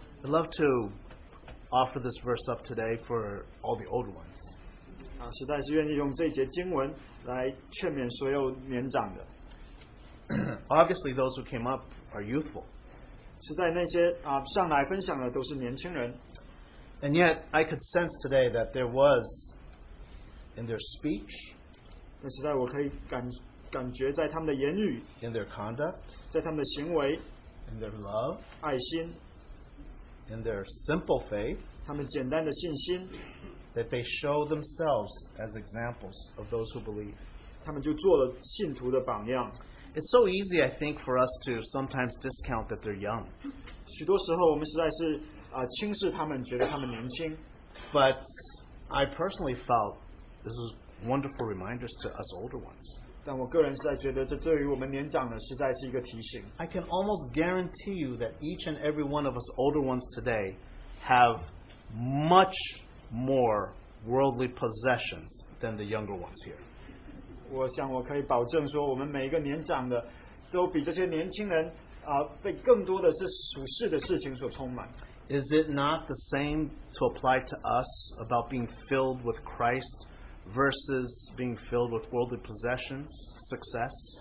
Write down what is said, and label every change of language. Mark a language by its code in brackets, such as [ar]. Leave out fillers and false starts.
[en] I'd love to offer this verse up today for all the older ones. [zh] 实在是愿意用这节经文来劝勉所有年长的。 [en] Obviously, those who came up are youthful. [zh] 是在那些, 上来分享的都是年轻人。 [en] And yet, I could sense today that there was in their speech, [zh] 但是在我可以感觉在他们的言语, [en] in their conduct, [zh] 在他们的行为, [en] in their love, [zh] 爱心, [en] in their simple faith, [zh] 他们简单的信心, [en] that they show themselves as examples of those who believe. [zh] 他们就做了信徒的榜样。 [en] It's so easy, I think, for us to sometimes discount that they're young. [zh] 许多时候我们实在是, 轻视他们, 觉得他们年轻。 [en] But I personally felt this was wonderful reminders to us older ones. [zh] 但我个人实在觉得这对于我们年长的实在是一个提醒。 [en] I can almost guarantee you that each and every one of us older ones today have much more worldly possessions than the younger ones here. [zh] 我想我可以保证说，我们每一个年长的，都比这些年轻人， 被更多的是属世的事情所充满。 [en] Is it not the same to apply to us about being filled with Christ versus being filled with worldly possessions, success?